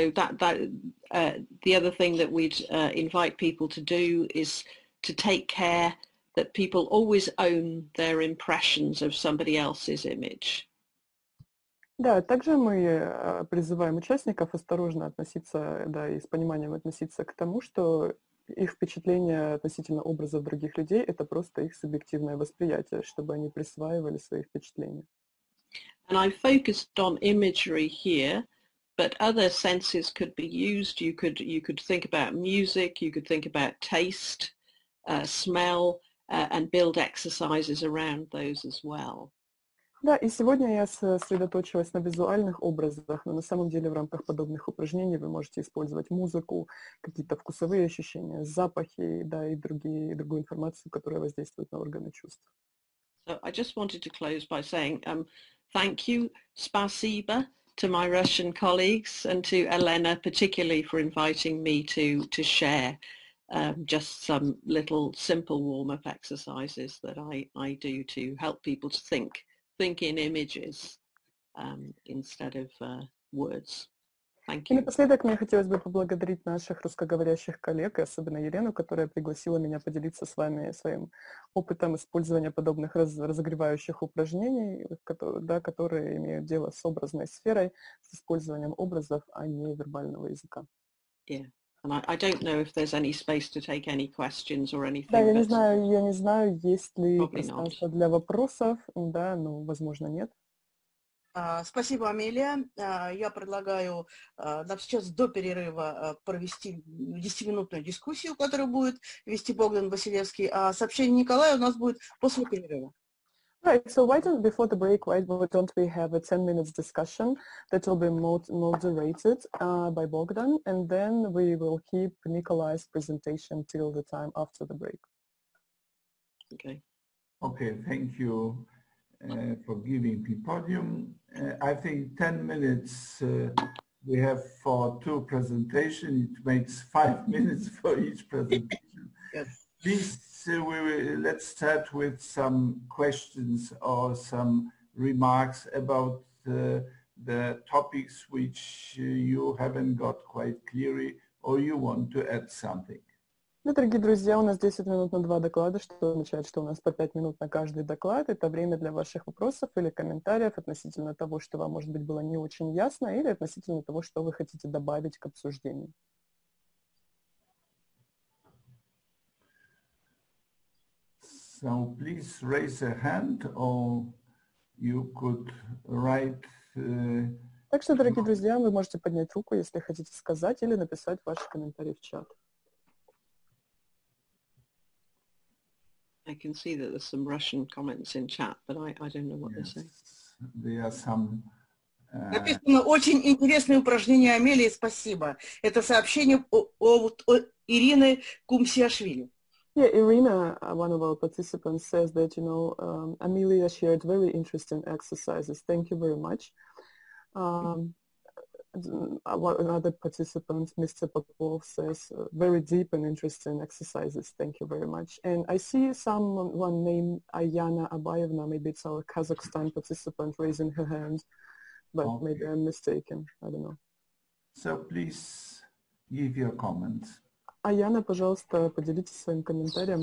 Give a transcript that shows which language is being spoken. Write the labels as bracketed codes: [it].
[en] The other thing that we'd invite people to do is to take care that people always own their impressions of somebody else's image. [ru] Да, также мы призываем участников осторожно относиться, да, и с пониманием относиться к тому, что их впечатление относительно образов других людей — это просто их субъективное восприятие, чтобы они присваивали свои впечатления. [en] And I focused on imagery here, but other senses could be used. You could think about music, you could think about taste, smell, and build exercises around those as well. [ru] Да, и сегодня я сосредоточилась на визуальных образах, но на самом деле в рамках подобных упражнений вы можете использовать музыку, какие-то вкусовые ощущения, запахи, да, и другие, и другую информацию, которая воздействует на органы чувств. [en] So I just wanted to close by saying thank you, [ru] спасибо, [en] to my Russian colleagues and to Elena particularly for inviting me to share just some little simple warm-up exercises that I do to help people to think. Think in images instead of words. Thank you. [ru] И напоследок мне хотелось бы поблагодарить наших русскоговорящих коллег, особенно Елену, которая пригласила меня поделиться с вами своим опытом использования подобных разогревающих упражнений, которые имеют дело с образной сферой, с использованием образов, а не вербального языка. [en] Yeah. And I don't know if there's any space to take any questions or anything. [ru] Да, я не знаю, есть ли пространство для вопросов. Да, ну, возможно, нет. Спасибо, Амелия. Я предлагаю нам сейчас до перерыва провести 10-минутную дискуссию, которую будет вести Богдан Василевский. А сообщение Николая у нас будет после перерыва. [en] Right, so why don't, before the break, why don't we have a 10-minute discussion that will be moderated by Bogdan, and then we will keep Nikolai's presentation till the time after the break. Okay. Okay, thank you for giving me podium. I think 10 minutes we have for two presentations. It makes 5 minutes for each presentation. Yes. Please, let's start with some questions or some remarks about the topics which you haven't got quite clearly, or you want to add something. [ru] Ну, дорогие друзья, у нас 10 минут на два доклада, что означает, что у нас по 5 минут на каждый доклад. Это время для ваших вопросов или комментариев относительно того, что вам, может быть, было не очень ясно, или относительно того, что вы хотите добавить к обсуждению. [en] So please raise a hand, or you could write. [ru] Так что, дорогие друзья, вы можете поднять руку, если хотите сказать или написать ваши комментарии в чат. [en] I can see that there's some Russian comments in chat, but I don't know what yes, they say. There are some. [ru] Написано очень интересное упражнение Амелии, спасибо. Это сообщение от Ирины Кумсиашвили. [en] Yeah, Irina, one of our participants, says that, you know, Amelia shared very interesting exercises. Thank you very much. Another participant, Mr. Popov, says very deep and interesting exercises. Thank you very much. And I see someone named Ayana Abayevna, maybe it's our Kazakhstan participant, raising her hand, but okay, maybe I'm mistaken. I don't know. So please give your comments. [ru] Аяна, пожалуйста, поделитесь своим комментарием.